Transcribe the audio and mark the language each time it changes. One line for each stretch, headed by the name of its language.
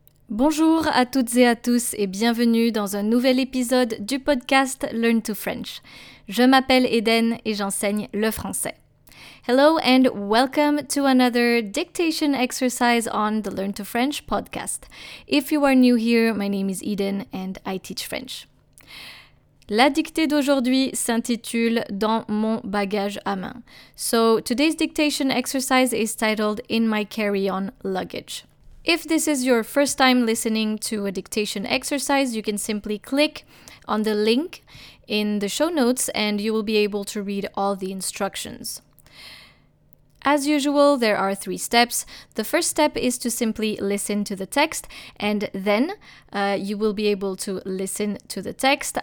French: Bonjour à toutes et à tous et bienvenue dans un nouvel épisode du podcast Learn to French. Je m'appelle Eden et j'enseigne le français.
English: Hello and welcome to another dictation exercise on the Learn to French podcast. If you are new here, my name is Eden and I teach French.
French: La dictée d'aujourd'hui s'intitule « Dans mon bagage à main ».
English: So, today's dictation exercise is titled « In my carry-on luggage ». If this is your first time listening to a dictation exercise, you can simply click on the link in the show notes and you will be able to read all the instructions. As usual, there are three steps. The first step is to simply listen to the text and then you will be able to listen to the text.